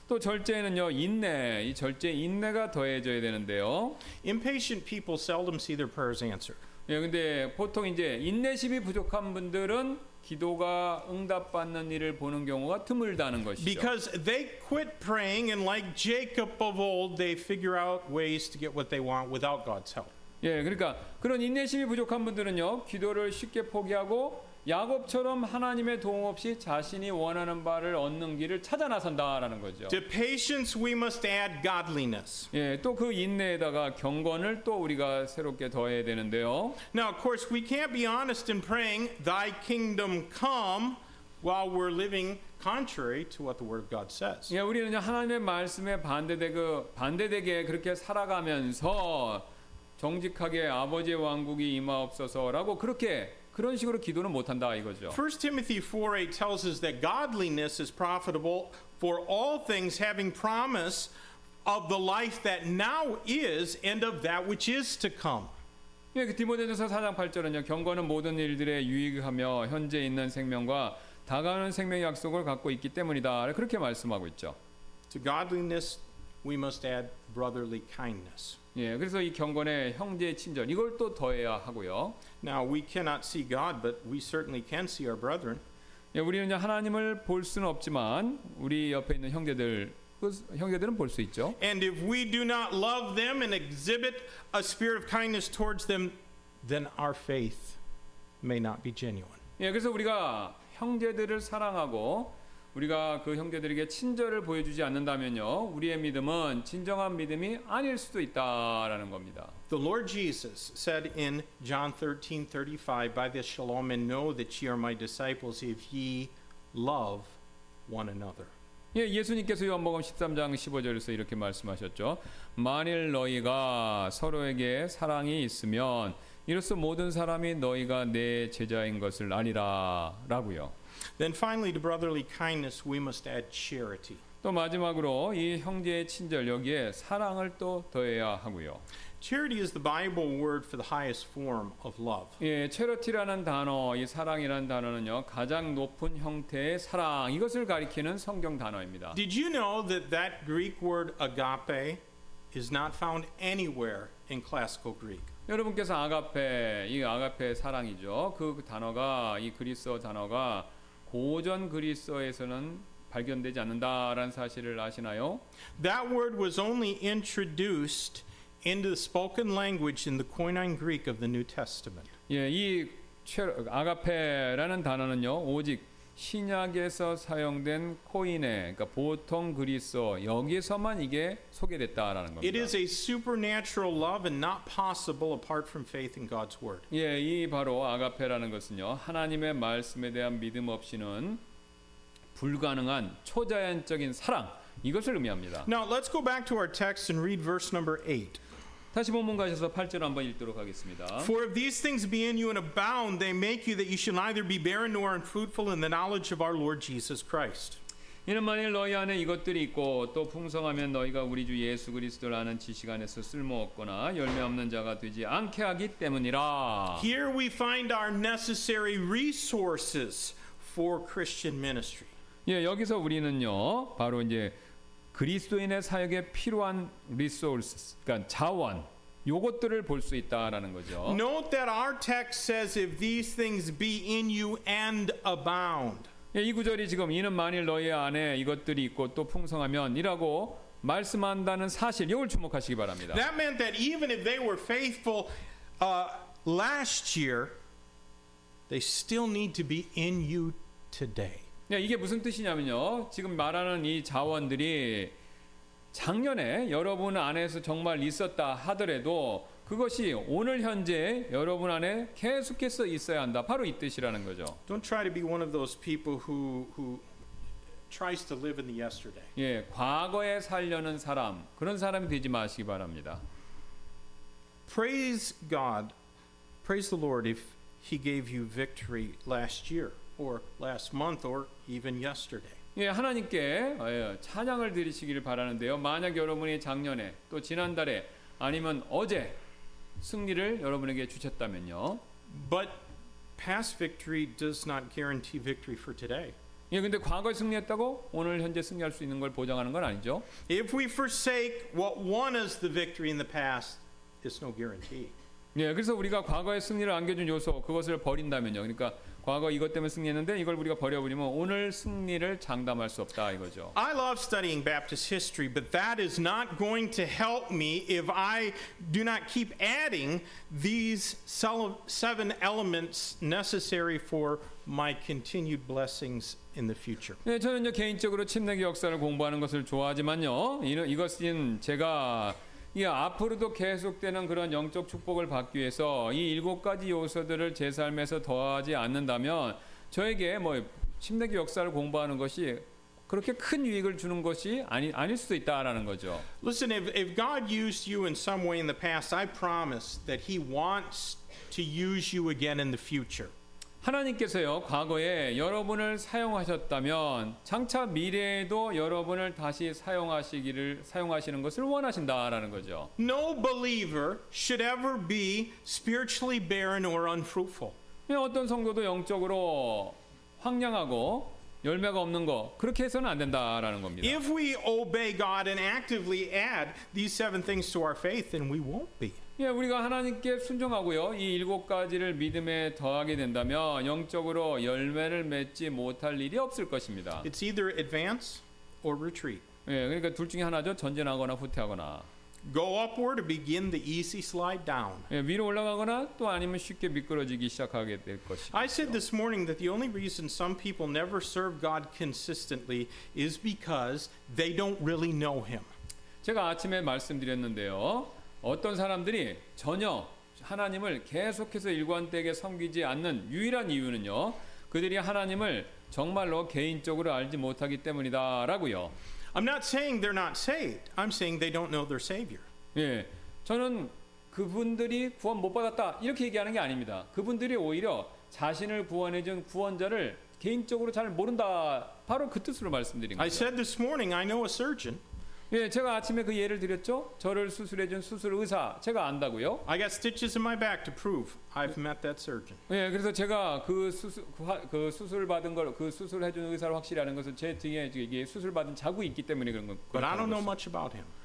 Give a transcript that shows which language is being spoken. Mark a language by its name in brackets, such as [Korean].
[Korean] 또 절제에는요 인내, 이 절제 인내가 더해져야 되는데요. [English] Impatient people seldom see their prayers answered. [Korean] 예, 근데 보통 이제 인내심이 부족한 분들은 기도가 응답받는 일을 보는 경우가 드물다는 것이죠. [English] Because they quit praying and like Jacob of old, they figure out ways to get what they want without God's help. [Korean] 예, 그러니까 그런 인내심이 부족한 분들은요 기도를 쉽게 포기하고 야곱처럼 하나님의 도움 없이 자신이 원하는 바를 얻는 길을 찾아 나선다라는 거죠. [English] To patience we must add godliness. [Korean] 예, 또 그 인내에다가 경건을 또 우리가 새롭게 더해야 되는데요. [English] Now of course we can't be honest in praying, Thy kingdom come, while we're living contrary to what the word of God says. [Korean] 예, 우리는 하나님의 말씀에 반대되게 그렇게 살아가면서 정직하게 아버지의 왕국이 임하옵소서라고 그렇게 그런 식으로 기도는 못 한다 이거죠. [English] 1 Timothy 4:8 tells us that godliness is profitable for all things having promise of the life that now is and of that which is to come. [Korean] 예, 그 디모데전서 4장 8절은요. 경건은 모든 일들에 유익하며 현재 있는 생명과 다가오는 생명 약속을 갖고 있기 때문이다. 그렇게 말씀하고 있죠. [English] To godliness we must add brotherly kindness. [Korean] 예, 그래서 이 경건의 형제 친절 이걸 또 더해야 하고요. [English] Now we cannot see God, but we certainly can see our brethren. [Korean] 예, 우리는 하나님을 볼 수는 없지만 우리 옆에 있는 형제들은 볼 수 있죠. [English] And if we do not love them and exhibit a spirit of kindness towards them, then our faith may not be genuine. [Korean] 예, 그래서 우리가 형제들을 사랑하고 우리가 그 형제들에게 친절을 보여주지 않는다면요, 우리의 믿음은 진정한 믿음이 아닐 수도 있다라는 겁니다. [English] The Lord Jesus said in John 13:35, "By this shall all men know that ye are my disciples if ye love one another." [Korean] 예, 예수님께서 요한복음 13장 15절에서 이렇게 말씀하셨죠. 만일 너희가 서로에게 사랑이 있으면 이로써 모든 사람이 너희가 내 제자인 것을 아니라라고요. [English] Then finally, to brotherly kindness, we must add charity. [Korean] 또 마지막으로 이 형제의 친절 여기에 사랑을 또 더해야 하고요. [English] Charity is the Bible word for the highest form of love. [Korean] 예, charity라는 단어, 이 사랑이라는 단어는요 가장 높은 형태의 사랑 이것을 가리키는 성경 단어입니다. [English] Did you know that that Greek word agape is not found anywhere in classical Greek? [Korean] 여러분께서 아가페, 이 아가페 사랑이죠. 그 단어가 이 그리스어 단어가 고전 그리스어에서는 발견되지 않는다라는 사실을 아시나요? [English] That word was only introduced into the spoken language in the Koine Greek of the New Testament. [Korean] 예, 이 아가페라는 단어는요, 오직 신약에서 사용된 코이네, 그러니까 보통 그리스어 여기서만 이게 소개됐다라는 겁니다. [English] It is a supernatural love and not possible apart from faith in God's word. [Korean] 예, 이 바로 아가페라는 것은요 하나님의 말씀에 대한 믿음 없이는 불가능한 초자연적인 사랑 이것을 의미합니다. [English] Now let's go back to our text and read verse number 8. [Korean] 다시 본문 가셔서 8절 한번 읽도록 하겠습니다. [English] For if these things be in you and abound, they make you that you shall neither be barren nor unfruitful in the knowledge of our Lord Jesus Christ. [Korean] 이는 만일 너희 안에 이것들이 있고 또 풍성하면 너희가 우리 주 예수 그리스도를 아는 지식 안에서 쓸모없거나 열매 없는 자가 되지 않게 하기 때문이라. [English] Here we find our necessary resources for Christian ministry. [Korean] 예, 여기서 우리는요 바로 이제 그리스도인의 사역에 필요한 리소스, 그러니까 자원, 요것들을 볼 수 있다라는 거죠. [English] Note that our text says if these things be in you and abound. [Korean] 예, 이 구절이 지금 이는 만일 너희 안에 이것들이 있고 또 풍성하면이라고 말씀한다는 사실, 이걸 주목하시기 바랍니다. [English] That meant that even if they were faithful last year, they still need to be in you today. [Korean] 네, 이게 무슨 뜻이냐면요. 지금 말하는 이 자원들이 작년에 여러분 안에서 정말 있었다 하더라도 그것이 오늘 현재 여러분 안에 계속해서 있어야 한다. 바로 이 뜻이라는 거죠. [English] Don't try to be one of those people who tries to live in the yesterday. [Korean] 예, 과거에 살려는 사람, 그런 사람이 되지 마시기 바랍니다. [English] Praise God. Praise the Lord if he gave you victory last year. Or last month, or even yesterday. [Korean] 예, 하나님께 찬양을 드리시기를 바라는데요. 만약 여러분이 작년에 또 지난달에 아니면 어제 승리를 여러분에게 주셨다면요. [English] But past victory does not guarantee victory for today. [Korean] 예, 근데 과거 승리했다고 오늘 현재 승리할 수 있는 걸 보장하는 건 아니죠. [English] If we forsake what won us the victory in the past, it's no guarantee. [Korean] 예, 그래서 우리가 과거의 승리를 안겨준 요소 그것을 버린다면요. 그러니까 과거 이것 때문에 승리했는데 이걸 우리가 버려버리면 오늘 승리를 장담할 수 없다 이거죠. [English] I love studying Baptist history, but that is not going to help me if I do not keep adding these seven elements necessary for my continued blessings in the future. [Korean] 네, 저는요 개인적으로 침례기 역사를 공부하는 것을 좋아하지만요 이것은 제가 이 앞으로도 계속되는 그런 영적 축복을 받기 위해서 이 일곱 가지 요소들을 제 삶에서 더하지 않는다면 저에게 뭐 침례교 역사를 공부하는 것이 그렇게 큰 유익을 주는 것이 아닐 수도 있다라는 거죠. [English] Listen, if God used you in some way in the past, I promise that He wants to use you again in the future. [Korean] 하나님께서요 과거에 여러분을 사용하셨다면 장차 미래에도 여러분을 다시 사용하시는 것을 원하신다라는 거죠. [English] No believer should ever be spiritually barren or unfruitful. [Korean] 어떤 성도도 영적으로 황량하고 열매가 없는 거 그렇게 해서는 안 된다라는 겁니다. [English] If we obey God and actively add these seven things to our faith, then we won't be. [Korean] 예, 우리가 하나님께 순종하고요, 이 일곱 가지를 믿음에 더하게 된다면 영적으로 열매를 맺지 못할 일이 없을 것입니다. [English] It's either advance or retreat. [Korean] 예, 그러니까 둘 중에 하나죠. 전진하거나 후퇴하거나. [English] Go upward or begin the easy slide down. [Korean] 예, 위로 올라가거나 또 아니면 쉽게 미끄러지기 시작하게 될 것입니다. [English] I said this morning that the only reason some people never serve God consistently is because they don't really know Him. [Korean] 제가 아침에 말씀드렸는데요. 어떤 사람들이 전혀 하나님을 계속해서 일관되게 섬기지 않는 유일한 이유는요. 그들이 하나님을 정말로 개인적으로 알지 못하기 때문이다라고요. [English] I'm not saying they're not saved. I'm saying they don't know their savior. [Korean] 예. 저는 그분들이 구원 못 받았다 이렇게 얘기하는 게 아닙니다. 그분들이 오히려 자신을 구원해 준 구원자를 개인적으로 잘 모른다. 바로 그 뜻으로 말씀드린 거예요. [English] I said this morning I know a surgeon. [Korean] 예, 제가 아침에 그 예를 드렸죠. 저를 수술해 준 수술 의사 제가 안다고요. [English] I got stitches in my back to prove I've met that surgeon. [Korean] 예, 그래서 제가 그 수술 받은 걸 그 수술 해준 의사를 확실히 아는 것은 제 등에 이게 수술 받은 자국이 있기 때문에 그런 것. [English] But I don't know [Korean] 것은. [English] much about him.